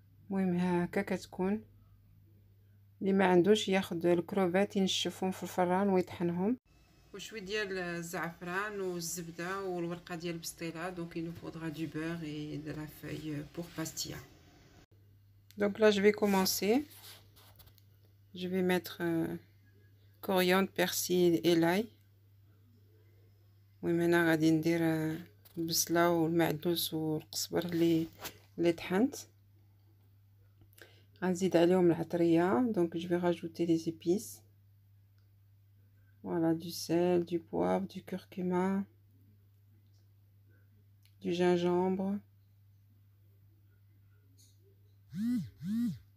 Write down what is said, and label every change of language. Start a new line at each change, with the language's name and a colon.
Arabic: المهم هكا كتكون اللي ما عندوش ياخد الكروفيت ينشفهم في الفران ويطحنهم وشوي ديال الزعفران والزبدة والورقة ديال البسطيلة دونك
French: il nous faudra du beurre et de la feuille pour pastilla. Donc là je vais commencer. Je vais mettre coriandre, persil et l'ail. Oui, maintenant
Arabic: غادي ندير البصلة والمعدنوس والقزبر اللي طحنت. غنزيد عليهم العطرية
French: donc je vais rajouter les épices. Voilà, du sel, du poivre, du curcuma, du gingembre. Mmh.